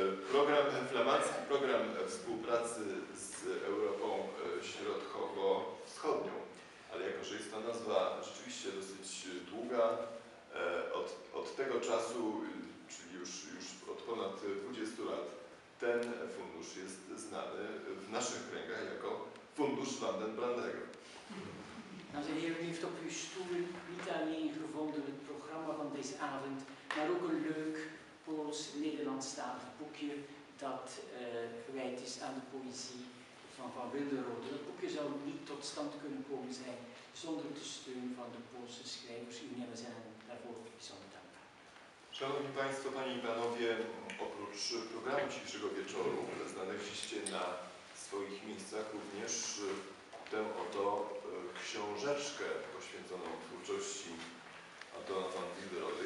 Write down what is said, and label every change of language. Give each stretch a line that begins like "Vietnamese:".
Polish: Program flamandzki, program współpracy z Europą Środkowo-Wschodnią. Ale jako, że jest ta nazwa rzeczywiście dosyć długa, od tego czasu, czyli już od ponad 20 lat, ten fundusz jest znany w naszych kręgach jako Fundusz van den Brandego.
Dutch: Also hier lief op uw stoelen niet alleen gevonden het programma van deze avond, maar ook een leuk Pools-Nederlandstalig boekje dat gewijd is aan de poëzie van Wilderode. Dat boekje zou niet tot stand kunnen komen zijn zonder de steun van de Poolse schrijvers. U en we zijn daarvoor bijzonder dankbaar.
Polish: Szanowni Państwo, Panie i Panowie, oprócz programu dzisiejszego wieczoru, znaleźliście na swoich miejscach również tę oto książeczkę poświęconą twórczości Antona van Wilderode.